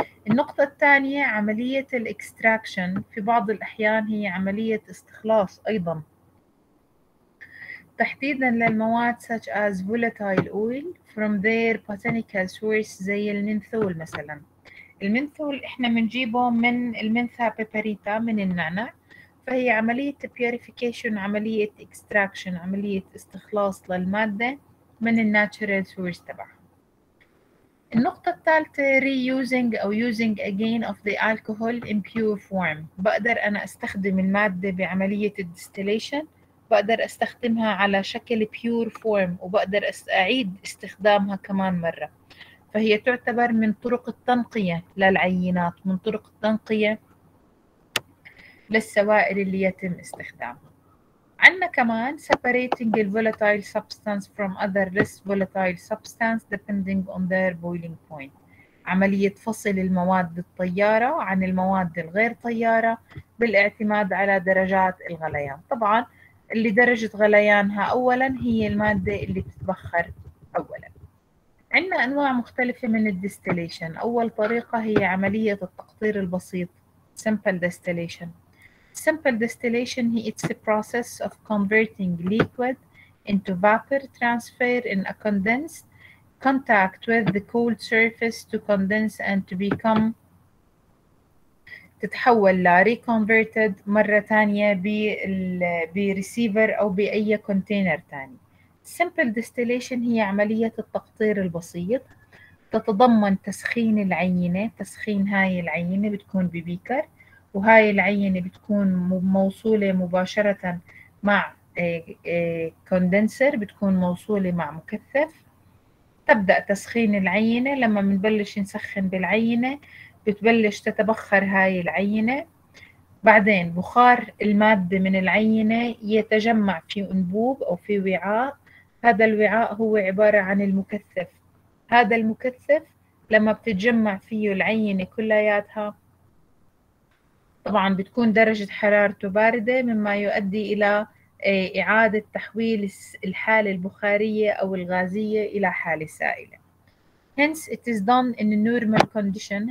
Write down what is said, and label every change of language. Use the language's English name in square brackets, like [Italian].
[Arabic] النقطة الثانية عملية الاكستراكشن، في بعض الأحيان هي عملية استخلاص أيضا، تحديدا للمواد [English] such as volatile oil from their botanical source [Arabic] زي المنثول مثلا. المنثول إحنا منجيبه من المنثى بيبريتا من النعناع، فهي عملية purification، عملية extraction، عملية استخلاص للمادة من الناتشرال سورس تبعها. النقطة الثالثة [English] reusing أو using again of the alcohol in pure form. [Arabic] بقدر أنا أستخدم المادة بعملية distillation، بقدر أستخدمها على شكل pure form وبقدر أعيد استخدامها كمان مرة. فهي تعتبر من طرق التنقية للعينات، من طرق التنقية للسوائل اللي يتم استخدامها. [English] عندنا كمان separating the volatile substance from other less volatile substance depending on their boiling point. [Arabic] عملية فصل المواد الطيارة عن المواد الغير طيارة بالاعتماد على درجات الغليان. طبعا اللي درجة غليانها أولا هي المادة اللي تتبخر أولا. عندنا أنواع مختلفة من الديستيليشن. أول طريقة هي عملية التقطير البسيط simple distillation. [English] Simple distillation it's a process of converting liquid into vapor transfer in a condensed contact with the cold surface to condense and to become [Arabic] تتحول ل [English] reconverted [Arabic] مرة تانية بريسيفر أو بأي كونتينر تاني. Simple distillation هي عملية التقطير البسيط، تتضمن تسخين العينة، تسخين هاي العينة بتكون ببيكر، وهاي العينة بتكون موصولة مباشرة مع كوندنسر، بتكون موصولة مع مكثف. تبدأ تسخين العينة، لما منبلش نسخن بالعينة بتبلش تتبخر هاي العينة، بعدين بخار المادة من العينة يتجمع في أنبوب أو في وعاء. هذا الوعاء هو عبارة عن المكثف، هذا المكثف لما بتتجمع فيه العينة كلياتها طبعاً بتكون درجة حرارته باردة، مما يؤدي إلى إعادة تحويل الحالة البخارية أو الغازية إلى حالة سائلة. [English] Hence, it is done in a normal condition.